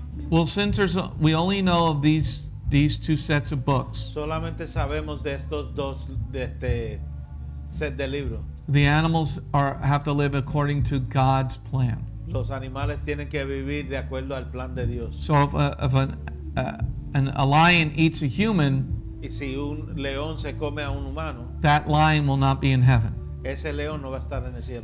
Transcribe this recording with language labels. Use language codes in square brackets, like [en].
[en] Well, since we only know of these two sets of books. [es] Solamente sabemos de estos dos de este set de libro. [en] The animals have to live according to God's plan. [es] Los animales tienen que vivir de acuerdo al plan de Dios. [en] So if a lion eats a human, [es] y si un león se come a un humano, [en] that lion will not be in heaven. [es] Ese león no va a estar en el cielo.